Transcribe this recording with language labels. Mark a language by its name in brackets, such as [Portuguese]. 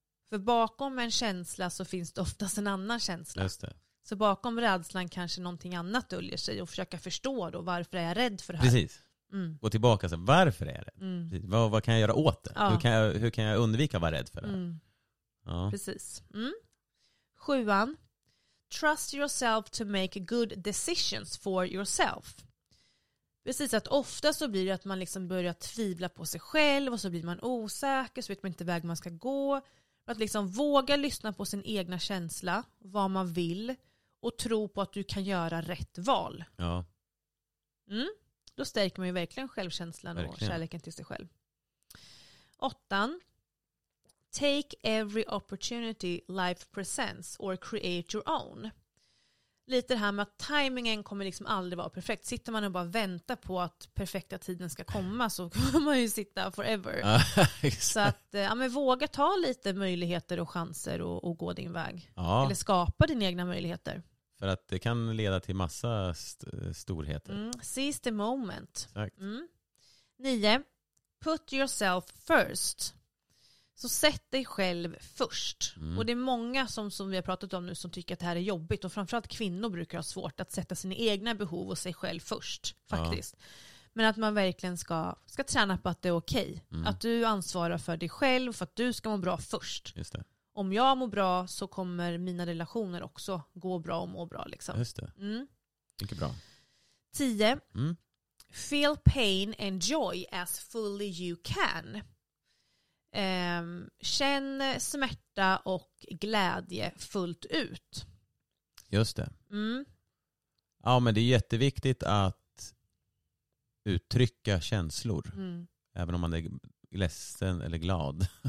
[Swedish] För bakom en känsla så finns det oftast en annan känsla. Just det. Så bakom rädslan kanske någonting annat döljer sig, och försöka förstå då, varför är jag rädd för det här? Precis. Mm. Gå tillbaka sen, varför är det? Mm. Vad kan jag göra åt det? Ja. Hur kan jag undvika att vara rädd för det? Mm. Ja. Precis. Mm. Sjuan. [English] Trust yourself to make good decisions for yourself. [Swedish] Precis, att ofta så blir det att man liksom börjar tvivla på sig själv, och så blir man osäker, så vet man inte väg man ska gå. Att liksom våga lyssna på sin egna känsla, vad man vill, och tro på att du kan göra rätt val. Ja. Mm. Då stärker man ju verkligen självkänslan och kärleken till sig själv. Åttan. [English] Take every opportunity life presents or create your own. [Swedish] Lite det här med att tajmingen kommer liksom aldrig vara perfekt. Sitter man och bara väntar på att perfekta tiden ska komma, så kommer man ju sitta forever. Så att våga ta lite möjligheter och chanser och gå din väg. Ja. Eller skapa dina egna möjligheter. För att det kan leda till massa storheter. [English] Mm. Seize the moment. [Swedish] Exakt. [English] Mm. 9. Put yourself first. [Swedish] Så sätt dig själv först. Mm. Och det är många som vi har pratat om nu som tycker att det här är jobbigt. Och framförallt kvinnor brukar ha svårt att sätta sina egna behov och sig själv först. Faktiskt. Ja. Men att man verkligen ska träna på att det är okej. Okay. Mm. Att du ansvarar för dig själv, för att du ska må bra först. Just det. Om jag mår bra, så kommer mina relationer också gå bra och må bra. Liksom. Just det. Mm. Mycket bra. 10. Mm. [English] Feel pain and joy as fully you can. [Swedish] Känn smärta och glädje fullt ut. Just det. Mm. Ja, men det är jätteviktigt att uttrycka känslor. Mm. Även om man är ledsen eller glad.